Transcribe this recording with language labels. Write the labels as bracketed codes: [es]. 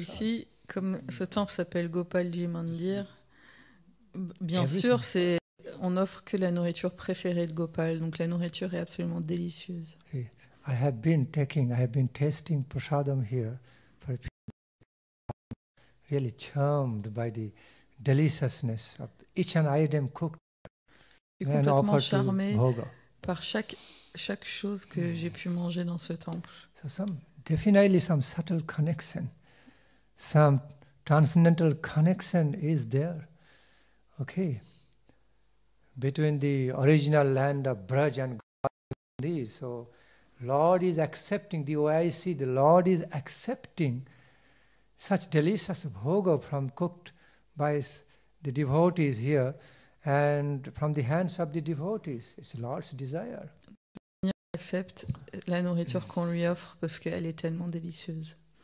[fr] Ici, comme ce temple s'appelle Gopalji Mandir, bien sûr, c'est on offre que la nourriture préférée de Gopal. Donc la nourriture est absolument délicieuse. [en] Okay. I have been tasting prasadam here for a few days. Really charmed by the deliciousness of each and every item cooked. [fr] Complètement charmé par chaque chose que j'ai pu manger dans ce temple. [en] So definitely some subtle connection, some transcendental connection is there, okay, between the original land of Braj and Gopalji. So Lord is accepting, the OIC, the Lord is accepting such delicious bhoga from cooked by the devotees here and from the hands of the devotees. It's Lord's desire. [fr] Accepte la nourriture qu'on lui offre parce qu'elle est tellement délicieuse.